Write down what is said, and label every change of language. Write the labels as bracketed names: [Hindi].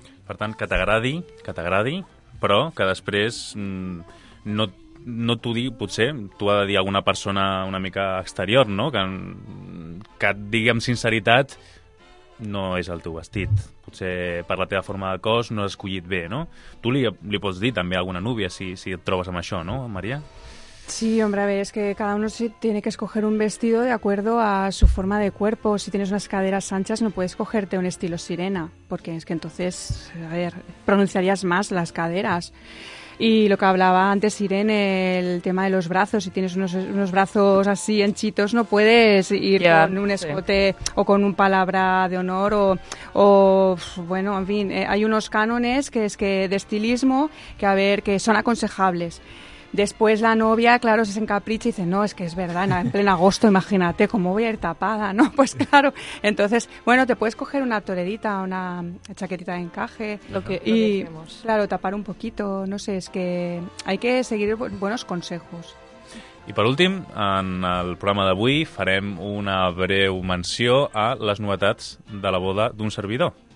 [Catalan] Per tant, que t'agradi, però que després no t'ho digui, potser t'ho ha de dir alguna persona una mica exterior, no? Que et digui amb sinceritat, no és el teu vestit. Potser per la teva forma de cos no has escollit bé, no? Tu li pots dir també a alguna núvia si et trobes amb això, no, Maria? [Spanish] Sí, hombre, a ver, es que cada uno se tiene que escoger un vestido de acuerdo a su forma de cuerpo. Si tienes unas caderas anchas no puedes cogerte un estilo sirena, porque es que entonces, a ver, pronunciarías más las caderas. Y lo que hablaba antes Irene, el tema de los brazos, si tienes unos brazos así henchitos no puedes ir con un escote o con un palabra de honor o bueno, en fin, hay unos cánones que es que de estilismo que a ver, que son aconsejables. Después la novia, claro, se encapricha y dice, no, es que es verdad, en pleno agosto, imagínate, cómo voy a ir tapada, ¿no? Pues claro, entonces, bueno, te puedes coger una torerita, una chaquetita de encaje. Lo que tapar un poquito, no sé, es que hay que seguir buenos consejos. [Catalan] I per últim, en el programa d'avui farem una breu menció a les novetats de la boda d'un servidor.